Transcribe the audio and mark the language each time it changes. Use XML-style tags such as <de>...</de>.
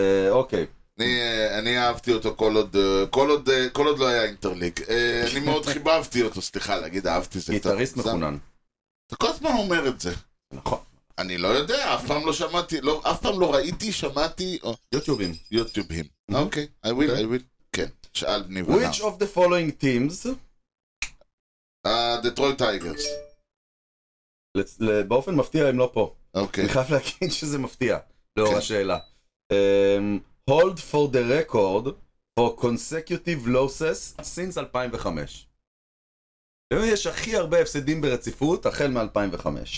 <he>אוקיי. אני אהבתי אותו כל עוד לא היה אינטרליג. אני מאוד חיבבתי אותו, סליחה להגיד, אהבתי זה. גיטריסט מכונן. אתה כל הזמן אומר את זה. נכון. אני לא יודע, אף פעם לא שמעתי, אף פעם לא ראיתי, שמעתי... יוטיובים. יוטיובים. אוקיי,</he> <en>I will.</en> <he>כן, שאל בני ונאו.</he> <en>Which of the following teams? Detroit Tigers.</en> <he>באופן מפתיע הם לא פה. אוקיי. אני חייב להגיד שזה מפתיע. לאור השאלה.</he> <en>Hold for the record for consecutive losses since 2005.</en> <he>היום יש הכי הרבה הפסדים ברציפות החל מ-2005.</he>